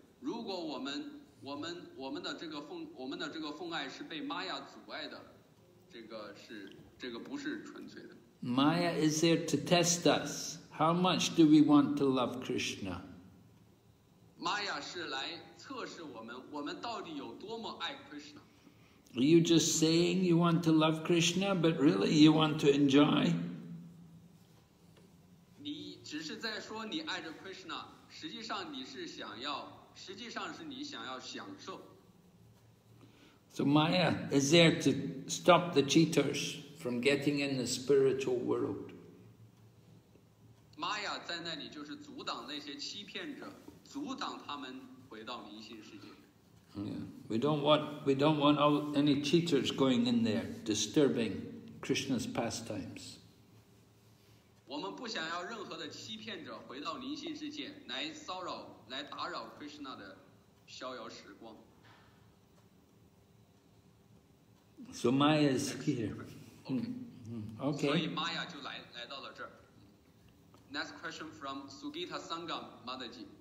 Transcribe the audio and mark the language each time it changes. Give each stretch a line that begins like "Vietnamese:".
Chinese: 如果我们的这个奉爱是被 Maya 阻碍的，这个不是纯粹的。
English: Maya is there to test us. How much do we want to love Krishna?
Chinese: Maya 是来测试我们到底有多么爱 Krishna.
English: Are you just saying you want to love Krishna, but really you want to enjoy?
Chinese: 只是在说你爱着 Krishna， 实际上是你想要享受。
English: So Maya is there to stop the cheaters from getting in the spiritual world.
Chinese: Maya 在那里就是阻挡那些欺骗者，阻挡他们回到灵性世界。
English: Yeah. We don't want any cheaters going in there disturbing Krishna's pastimes.
Chinese: 我们不想要任何的欺骗者回到灵性世界来骚扰、来打扰 Krishna 的逍遥时光。
English: So Maya is here. Okay.
Chinese: 所以 Maya 就来到了这儿。
English: Next question from Sugita Sangam Mataji.